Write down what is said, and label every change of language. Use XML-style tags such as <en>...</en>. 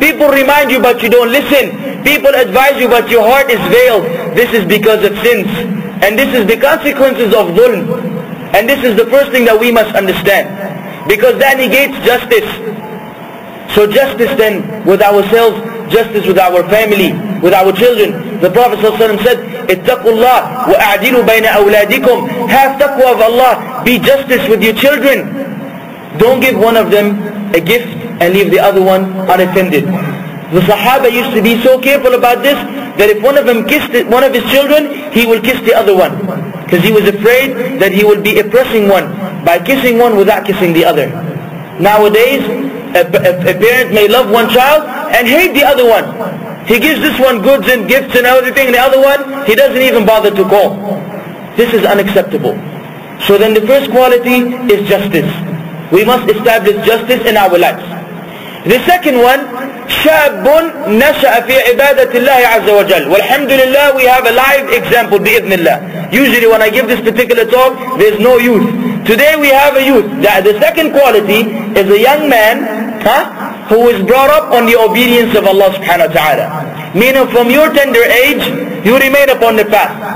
<en>People remind you but you don't listen. People advise you but your heart is veiled. This is because of sins. And this is the consequences of dhulm. And this is the first thing that we must understand. Because that negates justice. So justice then with ourselves, justice with our family, with our children. The Prophet ﷺ said,</en> <ar>اتقوا الله وأعدلوا بين أولادكم.</ar> <en>Have taqwa of Allah. Be justice with your children. Don't give one of them a gift and leave the other one unattended. The Sahaba used to be so careful about this that if one of them kissed one of his children, he will kiss the other one. Because he was afraid that he will be oppressing one by kissing one without kissing the other. Nowadays, a parent may love one child and hate the other one. He gives this one goods and gifts and everything, and the other one, he doesn't even bother to call. This is unacceptable. So then the first quality is justice. We must establish justice in our lives. The second one,</en> <ar>شَابٌ نَشَأَ فِي عِبَادَةِ اللَّهِ عَزَّ وَجَلَّ وَالْحَمْدُ لِلَّهِ.</ar> <en>We have a live example,</en> <ar>بِإِذْنِ اللَّهِ.</ar> <en>Usually when I give this particular talk, there's no youth. Today we have a youth. The second quality is a young man, huh, who is brought up on the obedience of Allah subhanahu wa ta'ala. Meaning from your tender age, you remain upon the path.</en>